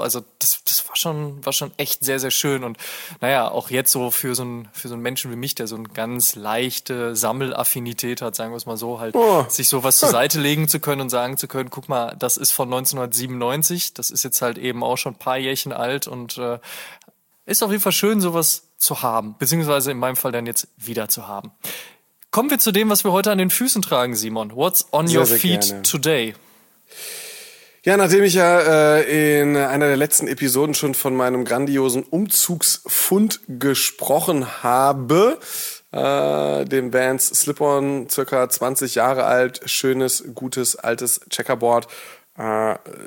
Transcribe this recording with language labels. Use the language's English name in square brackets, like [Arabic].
[German] Also das war schon echt sehr, sehr schön. Und naja, auch jetzt so für so einen Menschen wie mich, der so eine ganz leichte Sammelaffinität hat, sagen wir es mal so, halt sich sowas zur Seite legen zu können und sagen zu können, guck mal, das ist von 1997, das ist jetzt halt eben auch schon ein paar Jährchen alt und ist auf jeden Fall schön, sowas zu haben, beziehungsweise in meinem Fall dann jetzt wieder zu haben. Kommen wir zu dem, was wir heute an den Füßen tragen, Simon. [English] What's on your feet today? [German] Ja, nachdem ich ja in einer der letzten Episoden schon von meinem grandiosen Umzugsfund gesprochen habe, dem Vans Slip-On, circa 20 Jahre alt, schönes, gutes, altes Checkerboard, habe